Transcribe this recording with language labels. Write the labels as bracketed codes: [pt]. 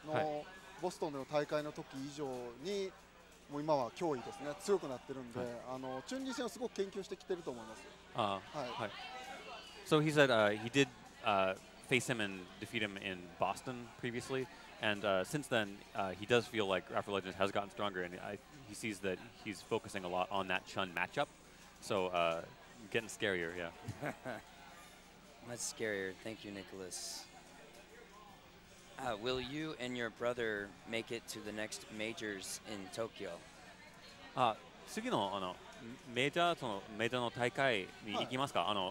[ja] 戦ってそれも、その時よりも彼がすごくパワーアップしてたんで、実はすごく怖かったです。そうですか。ちょっとアフロレジェンズさんはちょっとレベルアップできてると思いますか?もちろんです。去年ですね。去年の冬のボストンでの大会の時以上にもう今は脅威ですね。強くなってるんで、チュンリー戦をすごく研究してきてると思います。So [en] he said he did face him and defeat him in Boston previously, and since then he does feel like AfroLegends has gotten stronger, and he sees that he's focusing a lot on that Chun matchup. So getting scarier, yeah. Much scarier. Thank you, Nicholas. Will you and your brother make it to the next majors in Tokyo? [ja] 次のメジャーの大会に行きますか?